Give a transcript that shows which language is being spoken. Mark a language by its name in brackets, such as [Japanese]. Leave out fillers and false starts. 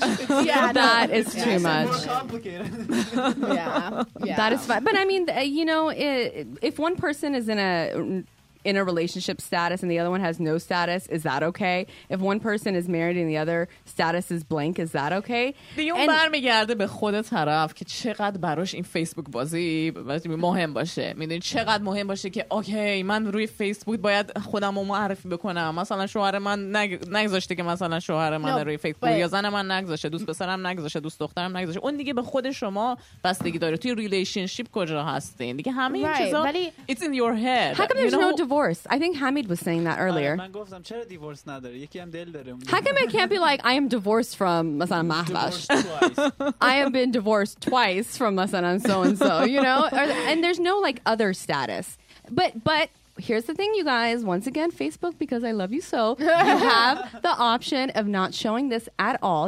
[English] It's too much. More complicated. Yeah. That is fine. But I mean, you know, if one person is in a in a relationship status and the other one has no status, is that okay? If one person is married and the other status is blank, is that okay? [Persian] دیون برمیگرده به خود طرف که چقدر براش این فیسبوک بازی مهم باشه. میدونی چقدر مهم باشه که اوکی من روی فیسبوک باید خودم رو معرفی بکنم. مثلا شوهر من نگذاشته که مثلا شوهر من روی فیسبوک یا زن من نگذاشته، دوست پسرم نگذاشته، دوست دخترم نگذاشته. اون دیگه به خود شما بستگی داره. توی ریلیشنشیپ کجا هستین؟ دیگه همه این چیزا [English] it's in your head. How come there's no divorce? I think Hamid was saying that earlier. [Persian] من گفتم چرا دیوورس نداره؟ یکی هم دل داره. [English] How come it can't be like I am divorced from مثلا محبش. I have been divorced twice from مثلا so and so, you know? And there's no like other status. But here's the thing, you guys. Once again, Facebook, because I love you so, you have the option of not showing this at all.